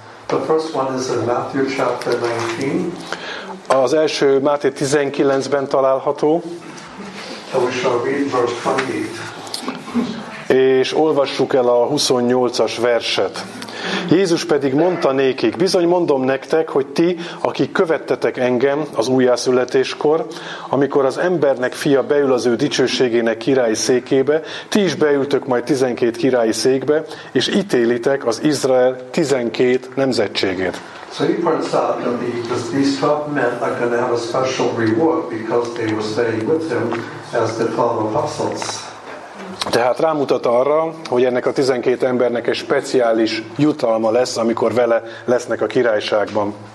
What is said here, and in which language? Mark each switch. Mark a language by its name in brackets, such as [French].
[English] The first one is in Matthew chapter 19. [Hungarian] Az első Máté 19-ben található. [English] We shall read verse 28. [Hungarian] És olvassuk el a 28-as verset. Jézus pedig mondta nékik, bizony mondom nektek, hogy ti, akik követtetek engem az újjászületéskor, amikor az embernek fia beül az ő dicsőségének királyi székébe, ti is beültök majd 12 királyi székbe, és ítélitek az Izrael 12 nemzetségét. [English] So he points out that these 12 men are going to have a special reward because they were staying with him as the 12 apostles. [Hungarian] Tehát rámutat arra, hogy ennek a 12 embernek egy speciális jutalma lesz, amikor vele lesznek a királyságban.